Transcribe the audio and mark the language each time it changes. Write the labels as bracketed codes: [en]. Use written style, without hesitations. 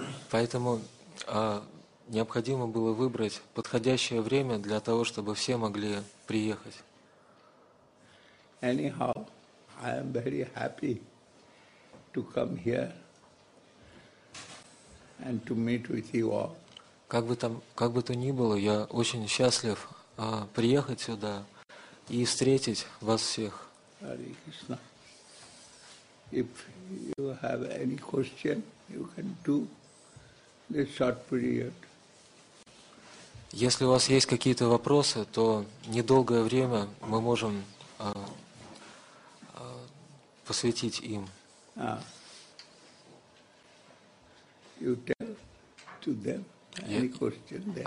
[ru] Поэтому необходимо было выбрать подходящее время для того, чтобы все могли приехать. [en] Anyhow, I am very happy to come here and to meet with you all. [ru] Как бы то ни было, я очень счастлив приехать сюда и встретить вас всех. [sa] Hare Krishna. [en] If you have any question, you can do this short period. [ru] Если у вас есть какие-то вопросы, то недолгое время мы можем посвятить им. [en] You tell to them any question there.